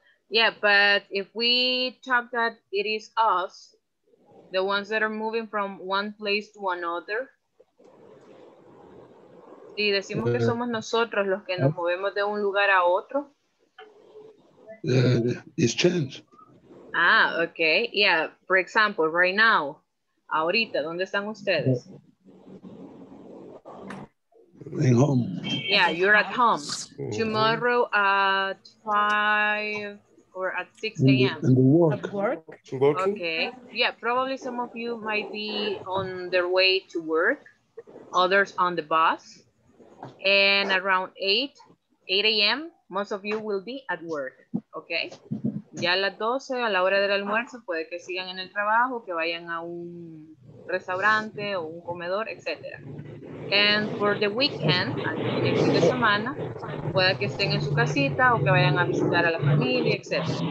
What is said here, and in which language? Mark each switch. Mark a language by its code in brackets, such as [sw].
[en] Yeah, but if we talk that it is us, the ones that are moving from one place to another. [es] Sí, decimos que somos nosotros los que nos movemos de un lugar a otro. [en] It's changed. Ah, okay. Yeah, for example, right now. [es] Ahorita, ¿dónde están ustedes? [en] In home. Yeah, you're at home. Tomorrow at 5 or at 6 a.m. In the work. Okay. Yeah, probably some of you might be on their way to work. Others on the bus. And around 8 a.m., most of you will be at work, okay? [es] Ya a las 12, a la hora del almuerzo, puede que sigan en el trabajo, que vayan a un restaurante o un comedor, etc. [en] And for the weekend, [es] al fin de semana, puede que estén en su casita o que vayan a visitar a la familia, etc.